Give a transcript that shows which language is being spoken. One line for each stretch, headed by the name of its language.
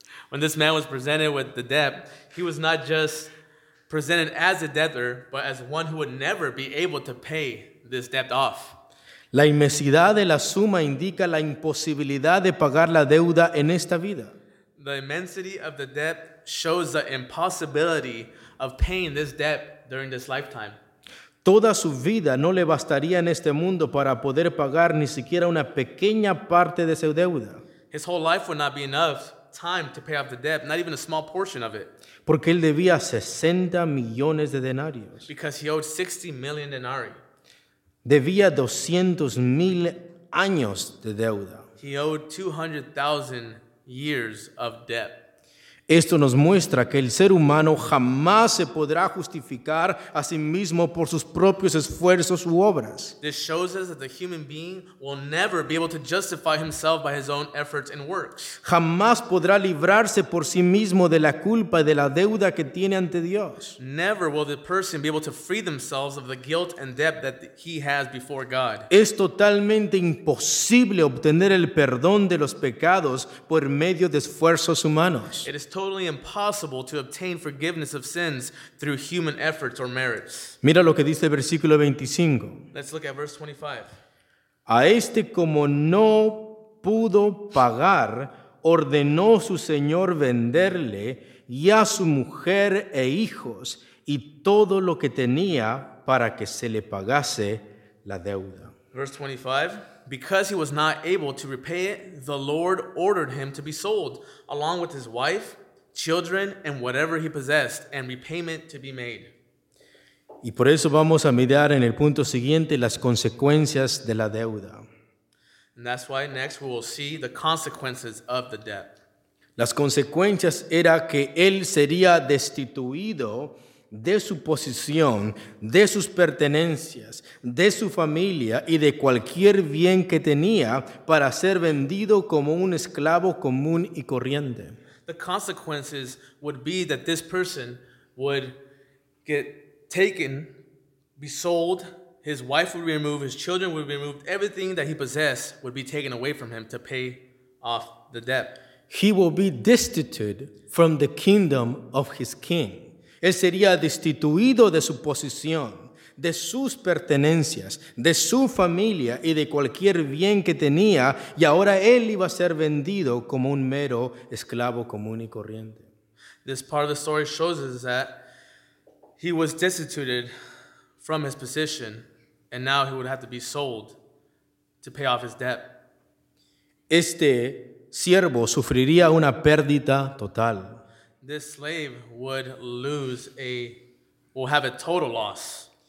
English: When this man was presented with the debt, he was not just presented as a debtor, but as one who would never be able to pay this debt off.
Spanish: La inmensidad de la suma indica la imposibilidad de pagar la deuda en esta vida.
English: The immensity of the debt shows the impossibility of paying this debt during this lifetime.
Spanish: Toda su vida no le bastaría en este mundo para poder pagar ni siquiera una pequeña parte de su deuda.
English: His whole life would not be enough time to pay off the debt, not even a small portion of it.
Spanish: Porque él debía 60 millones de denarios.
English: Because he owed 60 million denarii.
Spanish: Debía 200,000 años de deuda.
English: He owed 200,000 years of debt.
Spanish: Esto nos muestra que el ser humano jamás se podrá justificar a sí mismo por sus propios esfuerzos u obras.
English: This shows us that the human being will never be able to justify himself by his own efforts and works.
Spanish: Jamás podrá librarse por sí mismo de la culpa y de la deuda que tiene ante Dios.
English: Never will the person be able to free themselves of the guilt and debt that he has before God.
Spanish: Es totalmente imposible obtener el perdón de los pecados por medio de esfuerzos humanos.
English: Totally impossible to obtain forgiveness of sins through human efforts or merits.
Spanish: Mira lo que dice el versículo 25.
English: Let's look at verse 25.
Spanish: A este, como no pudo pagar, ordenó su señor venderle y a su mujer e hijos y todo lo que tenía para que se le pagase la deuda.
English: Verse 25. Because he was not able to repay it, the Lord ordered him to be sold, along with his wife, children, and whatever he possessed, and repayment to be made.
Spanish: Y por eso vamos a mirar en el punto siguiente las consecuencias de la deuda.
English: And that's why next we will see the consequences of the debt.
Spanish: Las consecuencias era que él sería destituido de su posición, de sus pertenencias, de su familia y de cualquier bien que tenía para ser vendido como un esclavo común y corriente.
English: The consequences would be that this person would get taken, be sold, his wife would be removed, his children would be removed, everything that he possessed would be taken away from him to pay off the debt. He will be destitute from the kingdom of his king.
Spanish: Él sería destituido de su posición, de sus pertenencias, de su familia y de cualquier bien que tenía, y ahora él iba a ser vendido como un mero esclavo común y corriente.
English: This part of the story shows us that he was destituted from his position, and now he would have to be sold to pay off his debt.
Spanish: Este siervo sufriría una pérdida total.
English: This slave would lose a, will have a total loss.